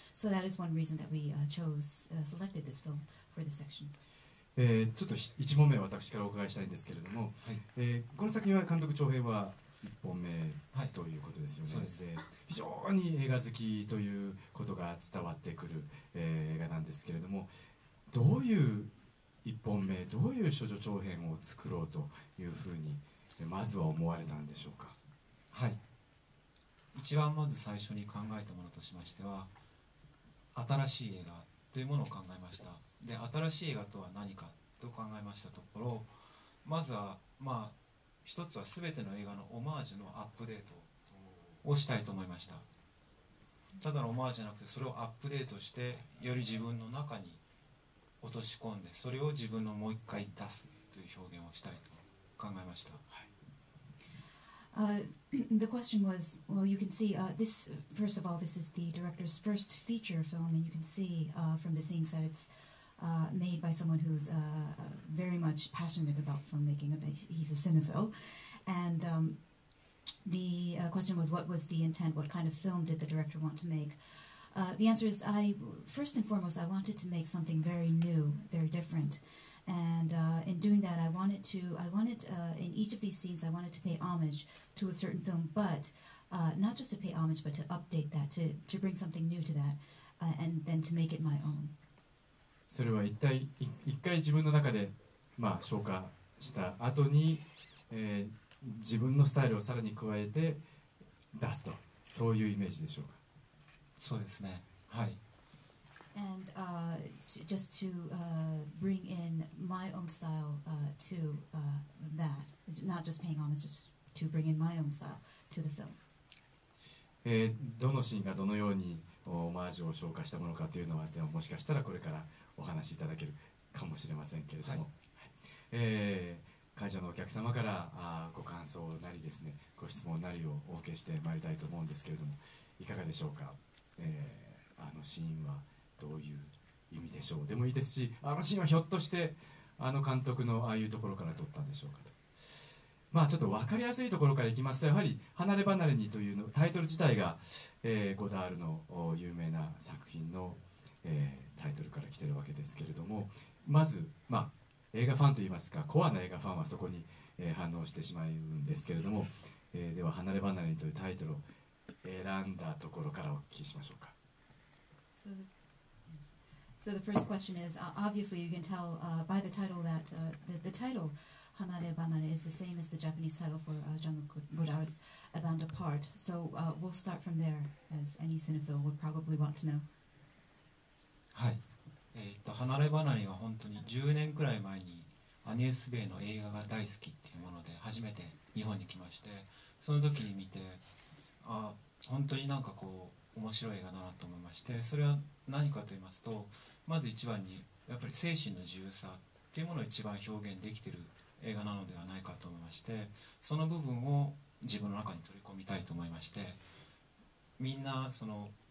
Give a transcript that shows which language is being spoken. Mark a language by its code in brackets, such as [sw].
[en] So that is one reason that we selected this film for this section. [ja] ちょっと一問目は私からお伺いしたいんですけれども、この作品は監督長編は1本目ということですよね、で非常に映画好きということが伝わってくる、映画なんですけれども、どういう1本目、どういう処女長編を作ろうというふうにまずは思われたんでしょうか。はい、一番まず最初に考えたものとしましては新しい映画というものを考えました。で、新しい映画とは何かと考えましたところ、まずはまあ一つは全ての映画のオマージュのアップデートをしたいと思いました。ただのオマージュじゃなくてそれをアップデートしてより自分の中に落とし込んでそれを自分のもう一回出すという表現をしたいと考えました。 [en] The question was, well, you can see this, first of all, this is the director's first feature film, and you can see from the scenes that it's made by someone who's very much passionate about filmmaking. He's a cinephile. And the question was, what was the intent? What kind of film did the director want to make? The answer is, first and foremost, I wanted to make something very new, very different. And in doing that, I wanted in each of these scenes to pay homage to a certain film, but not just to pay homage, but to update that, to bring something new to that, and then to make it my own. [ja] それは一回自分の中で、消化した後に、自分のスタイルをさらに加えて出すと、そういうイメージでしょうか。そうですね。はい。 [en] And just to bring in my own style to that, not just paying homage, just to bring in my own style to the film. [ja] どのシーンがどのようにオマージュを昇華したものかというのは、でももしかしたらこれからお話しいただけるかもしれませんけれども、はい、会場のお客様からご感想なりですね、ご質問なりをお受けしてまいりたいと思うんですけれども、いかがでしょうか。あのシーンは。どういう意味でしょう。でもいいですし、あのシーンはひょっとしてあの監督のああいうところから撮ったんでしょうかと。まあちょっと分かりやすいところからいきますと、やはり離れ離れにというのタイトル自体が、ゴダールの有名な作品の、タイトルから来てるわけですけれども、まず、映画ファンといいますかコアな映画ファンはそこに、反応してしまうんですけれども、では離れ離れにというタイトルを選んだところからお聞きしましょうか。 [en] So the first question is, obviously you can tell by the title that the title Hanare Banare is the same as the Japanese title for Jean-Luc Godard's A Band Apart. So we'll start from there, as any cinephile would probably want to know. [ja] はい。 Hanare Banare は本当に10年くらい前にアニエス・ベイの映画が大好きっていうもので初めて日本に来まして、その時に見て、本当になんかこう、面白い映画だなと思いまして、それは何かと言いますと、まず一番にやっぱり精神の自由さっていうものを一番表現できている映画なのではないかと思いまして、その部分を自分の中に取り込みたいと思いまして、みんなその